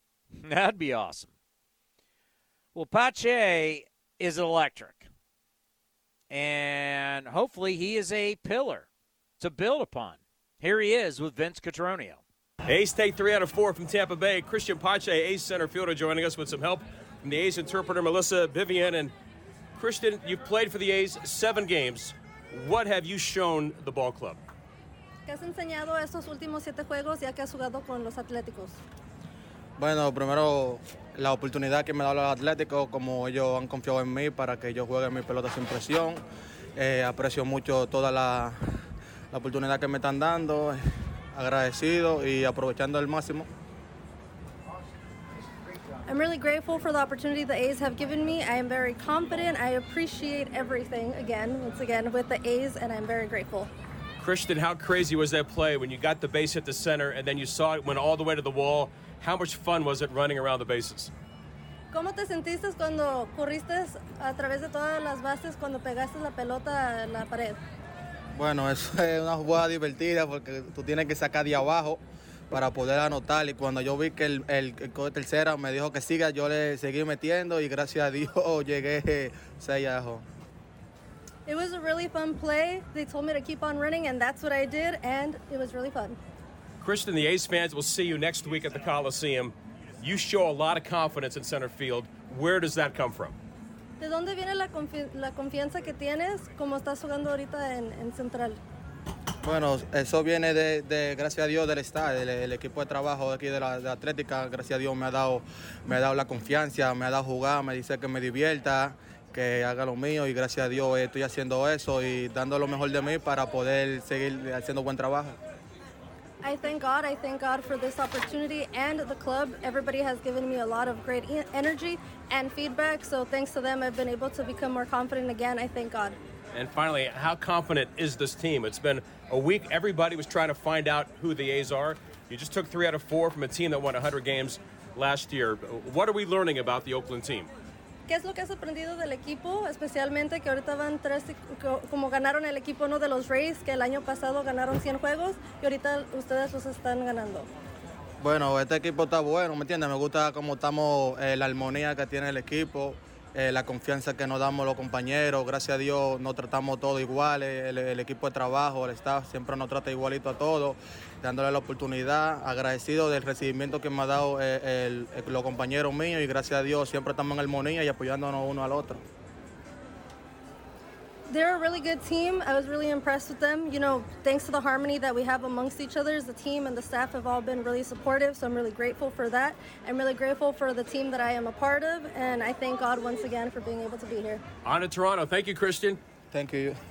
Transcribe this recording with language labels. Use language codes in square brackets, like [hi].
[en] That'd be awesome. Well, Pache is electric, and hopefully he is a pillar to build upon. Here he is with Vince Catronio. A's take 3 out of 4 from Tampa Bay. Christian Pache, A's center fielder, joining us with some help from the A's interpreter, Melissa Vivian. And Christian, you've played for the A's 7 games. What have you shown the ball club? [es] ¿Qué has enseñado estos últimos 7 juegos ya que has jugado con los Atléticos? Bueno, primero, la oportunidad que me da los Atléticos, como ellos han confiado en mí para que yo juegue mi pelota sin presión. Aprecio mucho toda la oportunidad que me están dando. Agradecido y aprovechando al máximo. [en] I'm really grateful for the opportunity the A's have given me. I am very confident. I appreciate everything once again with the A's, and I'm very grateful. Christian, how crazy was that play when you got the base hit the center and then you saw it went all the way to the wall? How much fun was it running around the bases? [es] ¿Cómo te sentiste cuando corriste a través de todas las bases cuando pegaste la pelota a la pared? Bueno, eso es una jugada divertida porque tú tienes que sacar de abajo para poder anotar. Y cuando yo vi que el tercera me dijo que siga, yo le seguí metiendo y gracias a Dios llegué 6 abajo. [en] It was a really fun play. They told me to keep on running and that's what I did and it was really fun. Christian, the A's fans will see you next week at the Coliseum. You show a lot of confidence in center field. Where does that come from? [es] ¿De dónde viene la confianza que tienes como estás jugando ahorita en Central? Bueno, eso viene de gracias a Dios, del staff, del equipo de trabajo aquí de la Atlética. Gracias a Dios me ha dado la confianza, me ha dado jugar, me dice que me divierta, que haga lo mío. Y gracias a Dios estoy haciendo eso y dando lo mejor de mí para poder seguir haciendo buen trabajo. [en] I thank God for this opportunity and the club. Everybody has given me a lot of great energy and feedback, so thanks to them, I've been able to become more confident again. I thank God. And finally, how confident is this team? It's been a week. Everybody was trying to find out who the A's are. You just took 3 out of 4 from a team that won 100 games last year. What are we learning about the Oakland team? [es] ¿Qué es lo que has aprendido del equipo, especialmente que ahorita van 3, como ganaron el equipo uno de los Rays, que el año pasado ganaron 100 juegos, y ahorita ustedes los están ganando? Bueno, este equipo está bueno, ¿me entiendes? Me gusta cómo estamos, la armonía que tiene el equipo, La confianza que nos damos los compañeros, gracias a Dios nos tratamos todos igual, el equipo de trabajo, el staff siempre nos trata igualito a todos, dándole la oportunidad, agradecido del recibimiento que me ha dado los compañeros míos, y gracias a Dios siempre estamos en armonía y apoyándonos uno al otro. [en] They're a really good team. I was really impressed with them. You know, thanks to the harmony that we have amongst each other, the team and the staff have all been really supportive, so I'm really grateful for that. I'm really grateful for the team that I am a part of, and I thank God once again for being able to be here. On to Toronto. Thank you, Christian. Thank you.